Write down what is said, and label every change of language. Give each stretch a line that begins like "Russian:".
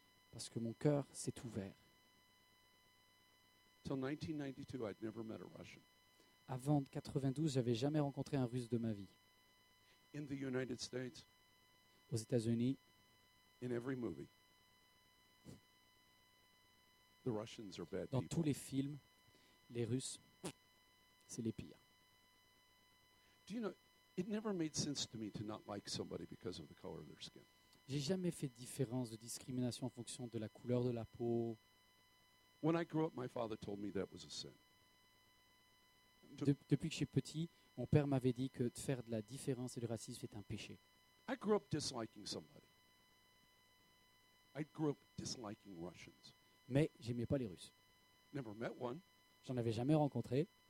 French: Parce que mon cœur s'est ouvert.
English: Till 1992, I'd never met a Russian.
French: Avant 92, j'avais jamais rencontré un Russe de ma vie.
English: In the United States,
French: aux États-Unis,
English: in every movie, the Russians are bad.
French: Dans
English: people.
French: Tous les films, les Russes, c'est les pires.
English: Do you know, it never made sense to me to not like somebody because of the color of their skin.
French: J'ai jamais fait de différence de discrimination en fonction de la couleur de la peau.
English: When I grew up, my father told me that was a sin.
French: Depuis que j'ai petit, mon père m'avait dit que de faire de la différence et du racisme était un péché.
English: I grew up disliking somebody. I grew up disliking Russians.
French: Mais j'aimais pas les Russes.
English: Never met one.
French: J'en avais jamais rencontré.